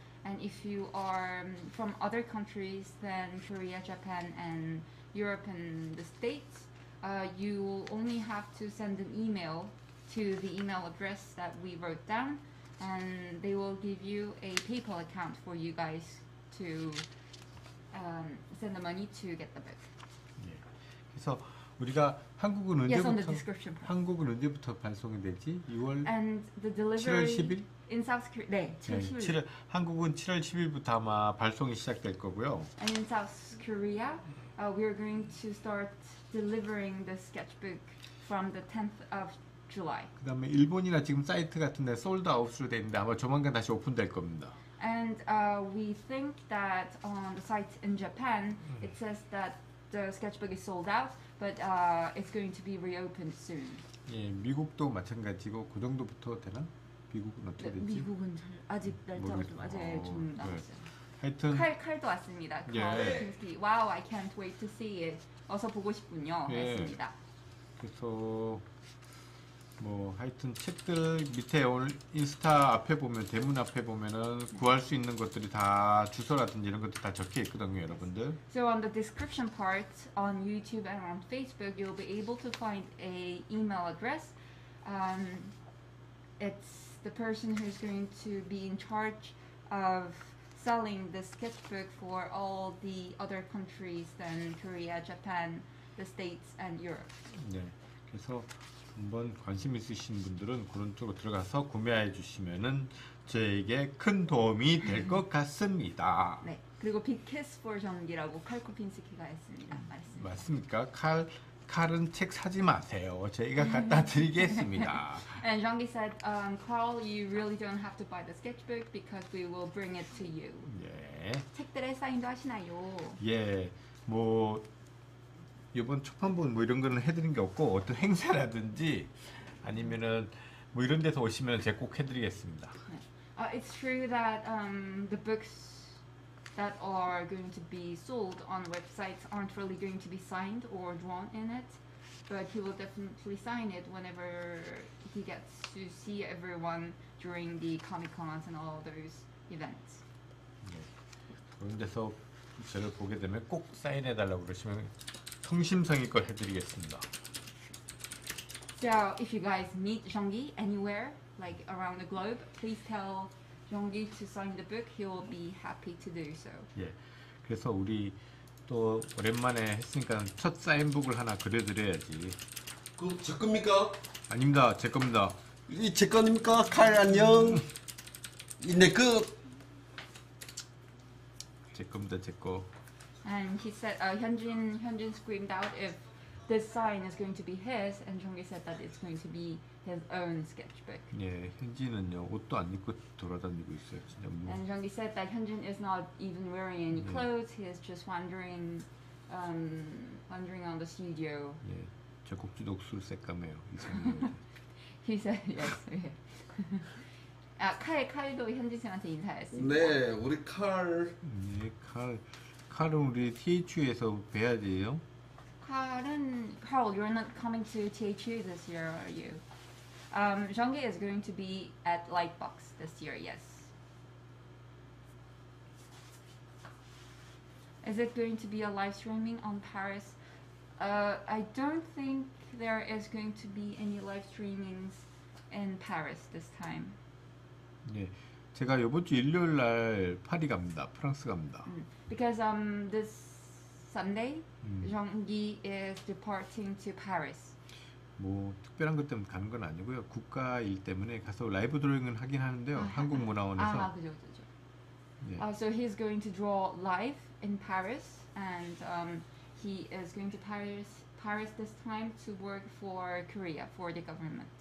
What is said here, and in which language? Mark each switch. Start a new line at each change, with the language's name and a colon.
English: And if you are from other countries than Korea, Japan, and Europe and the States, you will only have to send an email to the email address that we wrote down, and they will give you a PayPal account for you guys to send the money to get the book. Yeah. So,
Korean: 우리가 한국은 언제부터
English: yes,
Korean: 한국은 언제부터 발송이 되지? 6월
English: and the delivery
Korean: 7월 10일
English: in South Korea
Korean: 네, 7월 10일 한국은 7월 10일부터 아마 발송이 시작될 거고요.
English: And in South Korea, we are going to start delivering the sketchbook from the 10th of July.
Korean: 그다음에 일본이나 지금 사이트 같은데 솔드 아웃으로 되는데 아마 조만간 다시 오픈될 겁니다.
English: And we think that on the site in Japan, it says that the sketchbook is sold out. But it's going to be reopened soon.
Korean: 예, 미국도 마찬가지고 그 정도부터 되나? 미국은 어떻게 되지? 미국은 아직 날짜가 좀 아직 좀 남았어요. 네. 하여튼 칼도 왔습니다. 예. 와우,
English: I can't wait to see it.
Korean: 어서 보고 싶군요. 예. 했습니다. 그래서 뭐 하여튼 책들 밑에 오늘 인스타 앞에 보면 대문 앞에 보면은 구할 수 있는 것들이 다 주소라든지 이런 것도 다 적혀 있거든요, 여러분들.
English: So on the description part on YouTube and on Facebook, you'll be able to find a email address. It's the person who's going to be in charge of selling the sketchbook for all the other countries than Korea, Japan, the States, and Europe.
Korean: 네, 그래서 한번 관심 있으신 분들은 그런 쪽으로 들어가서 구매해 주시면은 저에게 큰 도움이 될 것 같습니다. 네, 그리고 비케스 포 전기라고 칼 쿠핀스키가 했습니다. 맞습니다. 맞습니까? 칼 칼은 책 사지 마세요. 저희가 갖다 드리겠습니다.
English: And Jeongi said, Carl, you really don't have to buy the sketchbook because we will bring it to you.
Korean: 예. 책들의 사인도 하시나요? 예, 뭐. 이번 초판부 뭐 이런 거는 해드린 게 없고 어떤 행사라든지 아니면은 뭐 이런 데서 오시면 제가 꼭 해드리겠습니다.
English: It's true that the books that are going to be sold on websites aren't really going to be signed or drawn in it, but he will definitely sign it whenever he gets to see everyone during the comic cons and all those events.
Korean: 네. 그런 데서 저를 보게 되면 꼭 사인해 달라고 그러시면. 성심성의껏 해드리겠습니다.
English: So if you guys meet Jeongi anywhere, like around the globe, please tell Jeongi to sign the book. He will be happy to do so.
Korean: 예, 그래서 우리 또 오랜만에 했으니까 첫 사인북을 하나 그려드려야지. 그 제 겁니까? 아닙니다, 제 겁니다. 이 제 겁니까? 칼 안녕. 이 내 거. 제 겁니다, 제 거.
English: And he said, Hyunjin screamed out if this sign is going to be his, and Jeongi said that it's going to be his own sketchbook.
Korean: 네, 현진은요 옷도 안 입고 돌아다니고 있어요, 진짜 뭐.
English: And Jeongi said that Hyunjin is not even wearing any clothes.
Korean: 네.
English: He is just wandering, wandering on the studio.
Korean: 네, 제 꼭지 녹슬 색감이에요, 이상해.
English: He said yes.
Korean: 아, 칼, 칼도 현진 씨한테 인사했습니다. 네, 우리 칼. 네, 칼. 칼은 우리 THU에서 뵈야 돼요. 칼은
English: Carl, you're not coming to THU this year, are you? Jeongi is going to be at Lightbox this year, yes. Is it going to be a live streaming on Paris? I don't think there is going to be any live streamings in Paris this time.
Korean: 네. 제가 이번 주 일요일 날 파리 갑니다. 프랑스 갑니다.
English: Because this Sunday, Jeongi is departing to Paris.
Korean: 뭐 특별한 것 때문에 가는 건 아니고요. 국가 일 때문에 가서 라이브 드로잉은 하긴 하는데요. 한국 문화원에서. 아, 그죠, 그죠. 네.
English: So he's going to draw live in Paris, and he is going to Paris this time to work for Korea for the government.